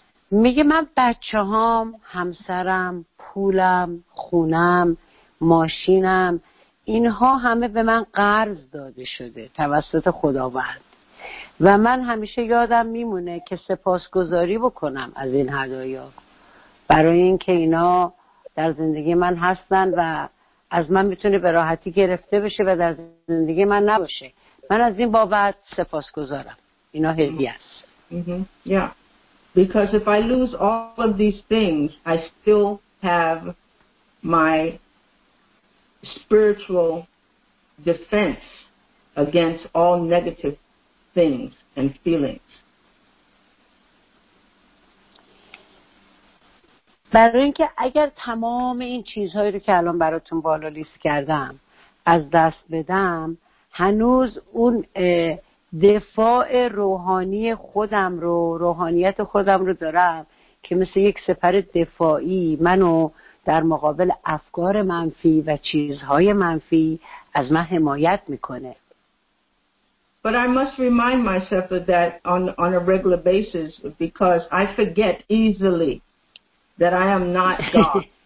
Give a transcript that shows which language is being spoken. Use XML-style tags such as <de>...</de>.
<fa>میگه من بچه هام، همسرم، پولم، خونم، ماشینم، اینها همه به من قرض داده شده توسط خداوند و من همیشه یادم میمونه که سپاسگزاری بکنم از این هدایا برای اینکه اینا در زندگی من هستن و از من میتونه به راحتی گرفته بشه و در زندگی من نباشه. من از این بابت سپاسگزارم. اینا هدیه است.</fa> <en>Yeah. Because if I lose all of these things, I still have my spiritual defense against all negative things and feelings.</en> <fa>برای اینکه اگر تمام این چیزهایی رو که الان براتون بالا لیست کردم از دست بدم هنوز اون دفاع روحانی خودم رو روحانیت خودم رو دارم که مثل یک سپر دفاعی منو در مقابل افکار منفی و چیزهای منفی از من حمایت میکنه.</fa> <en>But I must remind myself of that on a regular basis because I forget easily that I am not God.</en>